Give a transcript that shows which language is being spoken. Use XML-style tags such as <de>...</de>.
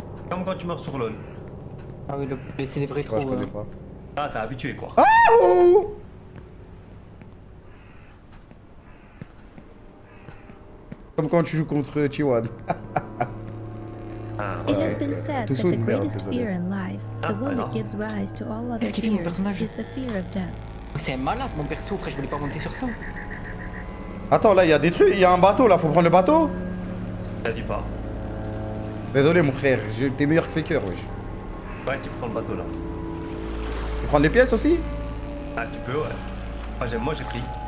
<fr>Comme quand tu meurs sur l'aune. Ah oui, le c'est des vrais trous. Ouais, je connais pas. Ah, t'as habitué quoi. Ah, comme quand tu joues contre Chiwan.</fr> <en>It has been said that the greatest fear in life, the one that gives rise to all other fears, is the fear of death.</en> <fr>C'est malade mon perso, frère, je voulais pas monter sur ça. Attends, là, il y a des trucs, il y a un bateau là, faut prendre le bateau. Ça dit pas. Désolé mon frère, t'es meilleur que Faker, wesh. Ouais, tu prends le bateau là. Tu prends les pièces aussi? Ah, tu peux, ouais. Enfin, j'ai pris.</fr>